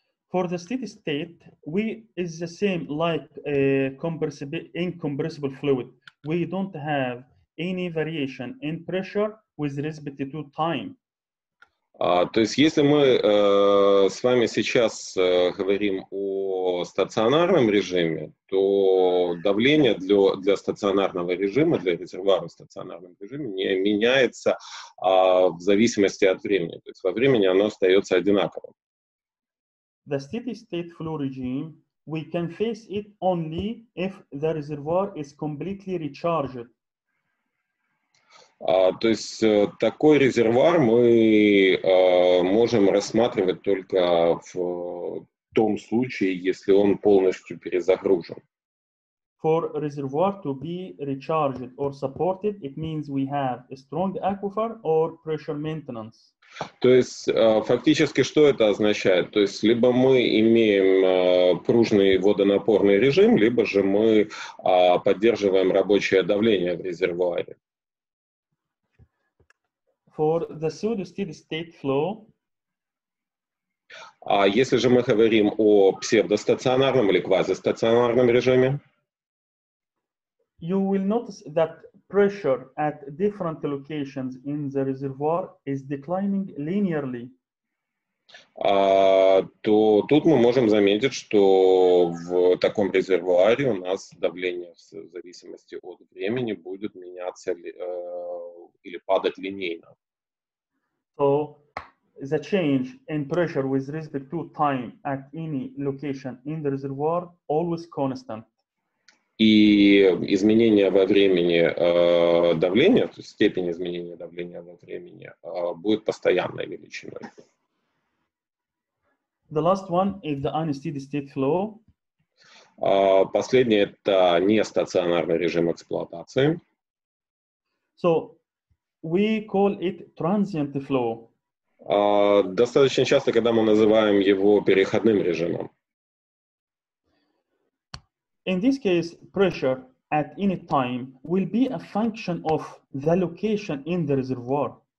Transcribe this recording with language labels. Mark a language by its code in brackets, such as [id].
[en] For the steady state, we is the same like a incompressible fluid. We don't have any variation in pressure with respect to time. [ru] То есть, если мы с вами сейчас говорим о стационарном режиме, то давление для стационарного режима, для резервуара в стационарном режиме не меняется в зависимости от времени. То есть, во времени оно остается одинаковым. [en] The steady state flow regime, we can face it only if the reservoir is completely recharged. [ru] То есть такой резервуар мы можем рассматривать только в том случае, если он полностью перезагружен. [en] For reservoir to be recharged or supported, it means we have a strong aquifer or pressure maintenance. [ru] То есть, фактически, что это означает? То есть, либо мы имеем пружный водонапорный режим, либо же мы поддерживаем рабочее давление в резервуаре. [en] For the pseudo-steady state flow. [ru] А если же мы говорим о псевдостационарном или квазистационарном режиме? [en] You will notice that pressure at different locations in the reservoir is declining linearly. [ru] То тут мы можем заметить, что в таком резервуаре у нас давление в зависимости от времени будет меняться или падать линейно. [en] So the change in pressure with respect to time at any location in the reservoir always constant. [ru] И изменение во времени давления, то есть степень изменения давления во времени, будет постоянной величиной. [en] The last one is the unsteady state flow. [ru] Последнее — это нестационарный режим эксплуатации. [en] So we call it transient flow. [ru] Достаточно часто, когда мы называем его переходным режимом. [en] In this case, pressure at any time will be a function of the location in the reservoir.